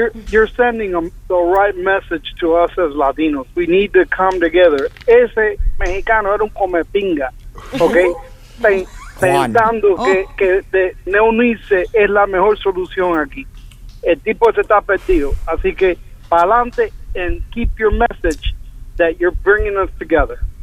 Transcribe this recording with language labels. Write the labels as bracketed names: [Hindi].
[English] You're sending the right message to us as Latinos. We need to come together. [Spanish] Ese mexicano era un come pinga. [English] Okay? [Spanish] Pensando que de neunice es la mejor solución aquí. El tipo se está perdido. Así que, pa'lante [English] and keep your message that you're bringing us together.